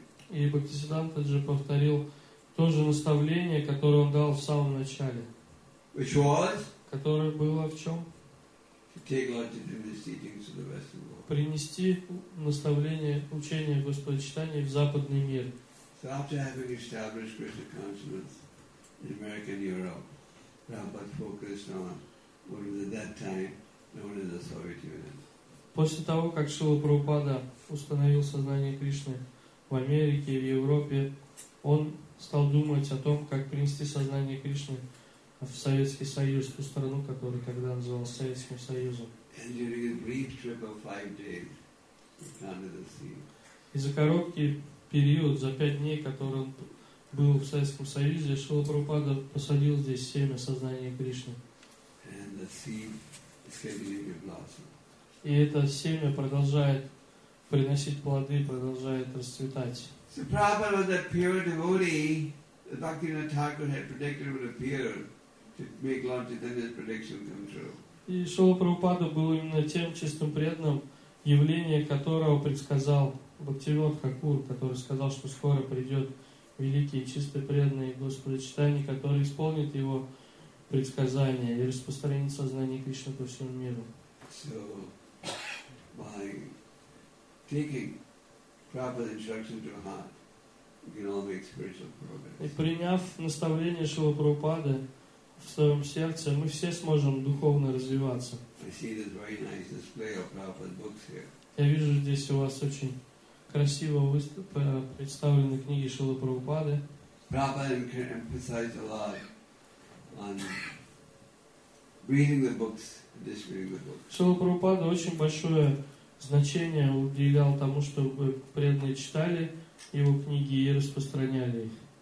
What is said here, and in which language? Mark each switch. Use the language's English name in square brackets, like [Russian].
[Russian] И Бхактисиддханта же повторил то же наставление, которое он дал в самом начале. [English] Which was? [Russian] Которое было в чем? [English] Take Lord Chaitanya's teachings to the rest of the world. [Russian] Принести наставление, учение Господа Чайтаньи в западный мир. [English] So after having established Krishna consciousness, in America and Europe, Prabhupada focused on what was at that time known as the Soviet Union. [Russian] После того, как Шрила Прабхупада установил сознание Кришны в Америке и в Европе, он стал думать о том, как принести сознание Кришны в Советский Союз, ту страну, которая тогда называлась Советским Союзом. [English] And during a brief trip of 5 days, he planted the seed. [Russian] И за короткий период, за 5 дней, который он был в Советском Союзе, Шрила Прабхупада посадил здесь семя сознания Кришны. [English] And the seed is continuing to blossom. [Russian] И это семя продолжает приносить плоды, продолжает расцветать. [English] So Prabhupada was that pure devotee that Bhaktivinoda Thakur had predicted would appear to make Lord Chaitanya's prediction come true. [Russian] И Шрила Прабхупада был именно тем чистым преданным, явление которого предсказал Бхактивинода Хакур, который сказал, что скоро придет великий, чистый, преданный Господа Чайтаньи, который исполнит его предсказания и распространит сознание Кришны по всему миру. [English] So, by taking proper instruction to heart, we can all make spiritual progress. [Russian] И приняв наставление Шрила Прабхупады в своем сердце, мы все сможем духовно развиваться. [English] I see this very nice display of Prabhupada's books here. [Russian] Я вижу здесь у вас очень красиво представлены книги Шрилы Прабхупады. [English] Prabhupada emphasized a lot on reading the books, distributing the books. [Russian] Шрила Прабхупада очень большое значение уделял тому, чтобы преданные читали его книги и распространяли их.